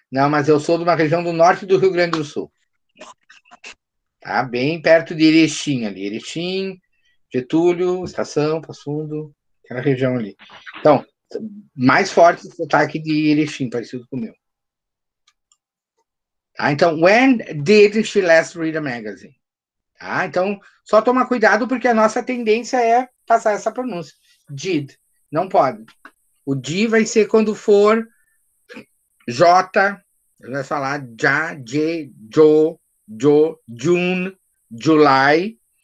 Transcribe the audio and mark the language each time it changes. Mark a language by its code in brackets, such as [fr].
[pt] Não, mas eu sou de uma região do norte do Rio Grande do Sul. Tá bem perto de Erechim ali. Erechim, Getúlio, Estação, Passo Fundo, aquela região ali. Então, mais forte o sotaque de Erechim, parecido com o meu. [en] Tá, então, when did she last read a magazine? [pt] Tá, então, só tomar cuidado porque a nossa tendência é passar essa pronúncia. Did. Não pode. O di vai ser quando for... J, vai falar já, J, Jo, June, July.